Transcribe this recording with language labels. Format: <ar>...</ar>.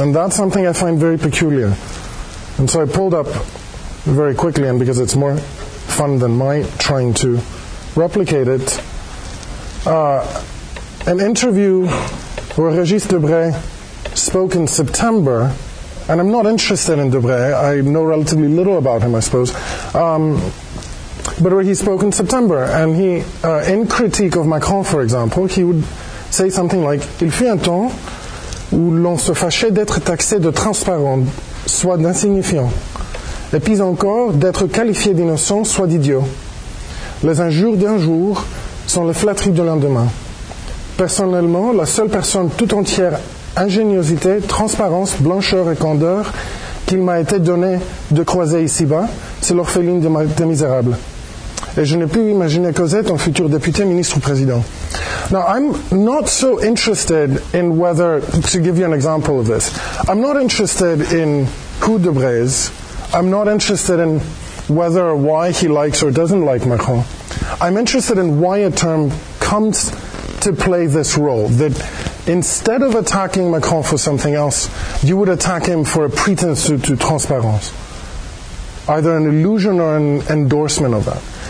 <en>And that's something I find very peculiar. And so I pulled up very quickly, and because it's more fun than my trying to replicate it, an interview where Régis Debray spoke in September. And I'm not interested in Debray. I know relatively little about him, I suppose. But where he spoke in September, and he, in critique of Macron, for example, he would say something like,</en> <fr>"Il fut un temps où l'on se fâchait d'être taxé de transparent, soit d'insignifiant, et puis encore d'être qualifié d'innocent, soit d'idiot. Les injures d'un jour sont les flatteries du lendemain. Personnellement, la seule personne tout entière ingéniosité, transparence, blancheur et candeur qu'il m'a été donné de croiser ici-bas, c'est l'orpheline des misérables. Et je n'ai plus imaginé Cosette en futur député, ministre ou président.</fr> <en>Now, I'm not so interested in whether, to give you an example of this, I'm not interested in who de Braise, I'm not interested in whether or why he likes or doesn't like Macron. I'm interested in why a term comes to play this role, that instead of attacking Macron for something else, you would attack him for a pretense to transparence, either an illusion or an endorsement of that.</en>